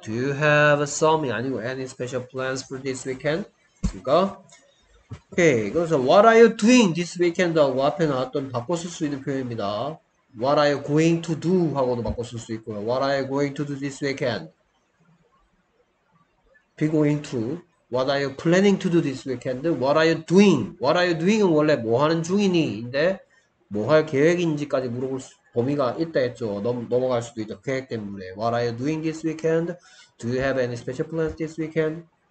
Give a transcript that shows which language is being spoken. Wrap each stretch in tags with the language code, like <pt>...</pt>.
<en>Do you have some</en> <ko>이 아니고</ko> <en>any special plans for this weekend?</en> <ko>됐습니까? 오케이. 그래서</ko> <en>what are you doing this weekend?</en> <ko>하고 앞에 나왔던 바꿔 쓸 수 있는 표현입니다.</ko> <en>What are you going to do?</en> <ko>하고도 바꿔 쓸 수 있고요.</ko> <en>What are you going to do this weekend? Be going to. What are you planning to do this weekend? What are you doing? What are you doing은</en> <ko>원래 뭐 하는 중이니? 인데 뭐 할 계획인지까지 물어볼 수, 범위가 있다 했죠. 넘어갈 수도 있다. 계획 때문에.</ko> <en>What are you doing this weekend? Do you have any special plans this weekend?</en>